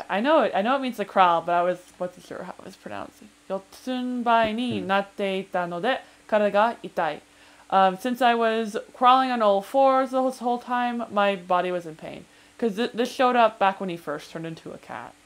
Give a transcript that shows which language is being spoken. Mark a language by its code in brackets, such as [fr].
[en] I know it means to crawl, but I wasn't sure how it was pronounced. [ja] 四つん這いになっていたので、体が痛い。 [en] Since I was crawling on all fours this whole time, my body was in pain. Because this showed up back when he first turned into a cat.